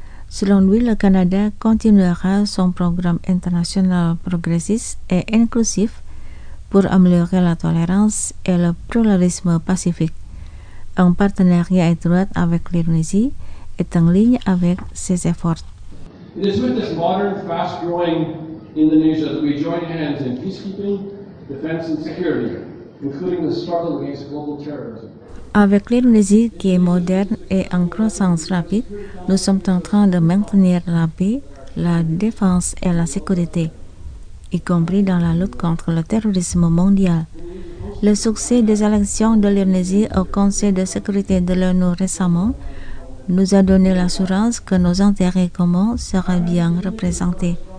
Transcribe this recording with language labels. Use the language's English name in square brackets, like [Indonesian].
[French] Selon lui, le Canada continuera son programme international progressiste et inclusif pour améliorer la tolérance et le pluralisme pacifique. Un partenariat étroit avec l'Indonésie est en ligne avec ses efforts. [English] It is with this modern, fast-growing Indonesia that we join hands in peacekeeping, defense and security, including the struggle against global terrorism. [French] Avec l'Indonésie qui est moderne et en croissance rapide, nous sommes en train de maintenir la paix, la défense et la sécurité, y compris dans la lutte contre le terrorisme mondial. Le succès des élections de l'Indonésie au Conseil de sécurité de l'ONU récemment nous a donné l'assurance que nos intérêts communs seraient bien représentés.